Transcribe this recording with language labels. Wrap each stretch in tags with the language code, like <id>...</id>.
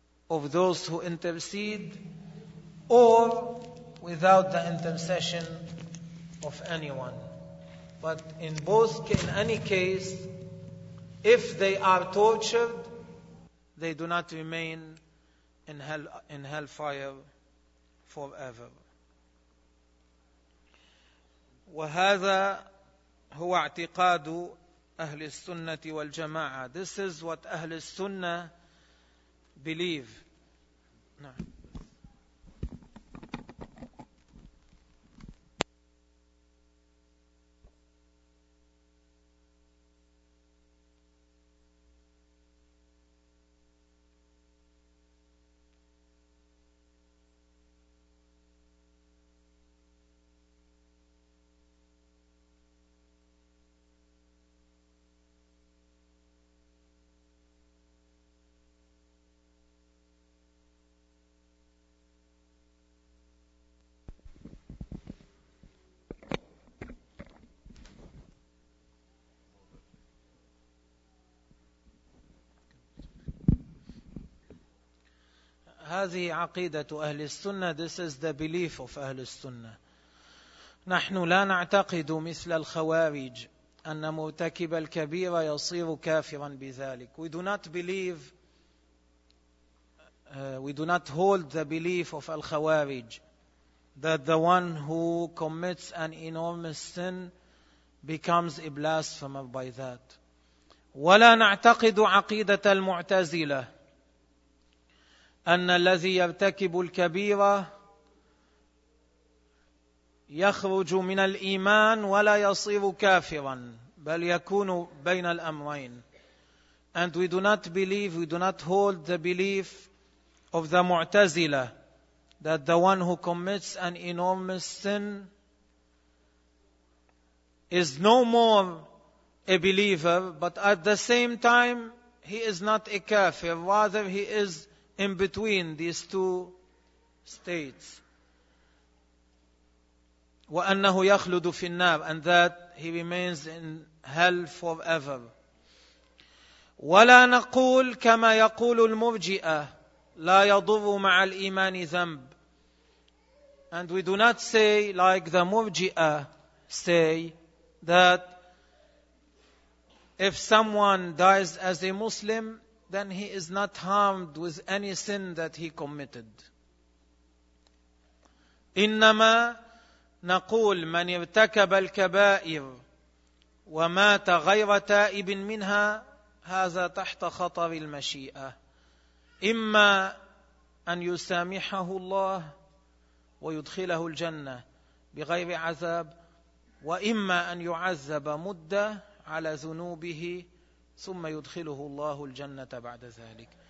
<en>of those who intercede or without the intercession of anyone. But in both, in any case, if they are tortured, they do not remain in hell, in hellfire forever.</en> <ar>وهذا هو اعتقاد أهل السنة والجماعة.</ar> <en>This is what أهل السنة believe.</en> <ar>نعم. هذه عقيدة أهل السنة.</ar> <en>This is the belief of أهل السنة.</en> <ar>نحن لا نعتقد مثل الخوارج أن مرتكب الكبيرة يصير كافرا بذلك.</ar> <en>We do not believe, we do not hold the belief of الخوارج that the one who commits an enormous sin becomes a blasphemer by that.</en> <ar>ولا نعتقد عقيدة المعتزلة أن الذي يرتكب الكبيرة يخرج من الإيمان ولا يصير كافرا بل يكون بين الأمرين.</ar> <en>And we do not believe, we do not hold the belief of the Mu'tazila that the one who commits an enormous sin is no more a believer, but at the same time he is not a kafir, rather he is in between these two states.</en> <ar>وأنه يخلد في النار,</ar> <en>and that he remains in hell forever.</en> <ar>ولا نقول كما يقول المرجئة لا يضر مع الإيمان ذنب.</ar> <en>And we do not say like the murji'a say that if someone dies as a Muslim, then he is not harmed with any sin that he committed.</en> <ar>إنما نقول من ارتكب الكبائر ومات غير تائب منها هذا تحت خطر المشيئة. إما أن يسامحه الله ويدخله الجنة بغير عذاب, وإما أن يعذب مدة على ذنوبه ثم يدخله الله الجنة بعد ذلك.</ar>